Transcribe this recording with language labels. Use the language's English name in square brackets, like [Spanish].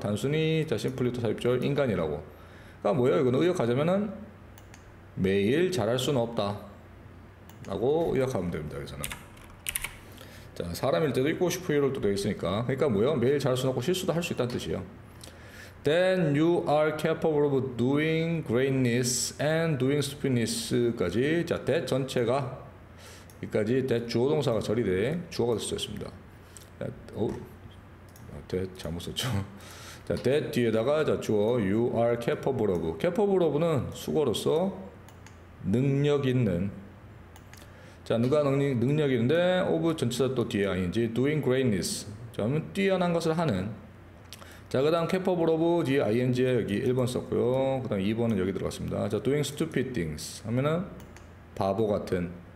[Korean] 단순히, 자, 심플리 또 삽입절, 인간이라고. 그니까 뭐예요? 이건 의역하자면은, 매일 잘할 수는 없다. 라고 의역하면 됩니다, 여기서는. 자, 사람일 때도 있고 슈퍼 히어로도 되어 있으니까. 그러니까 뭐예요? 매일 잘할 수는 없고 실수도 할 수 있다는 뜻이에요. [English] Then you are capable of doing greatness and doing stupidness까지. [Korean] 자, that 전체가 여기까지 that 주어 동사가 처리돼 주어가 될 수 있습니다. That 잘못 썼죠. 자, that 뒤에다가 자, [English] 주어 you are capable of. [Korean] capable of는 수고로서 능력 있는. 자, 누가 능력인데 of 전치사 또 뒤에 ing doing greatness. 자, 그러면 뛰어난 것을 하는. 자, 그 다음 capable of 뒤에 ing에 여기 1번 썼고요. 그 다음 2번은 여기 들어갔습니다. 자, [English] doing stupid things [Korean] 하면은 바보 같은.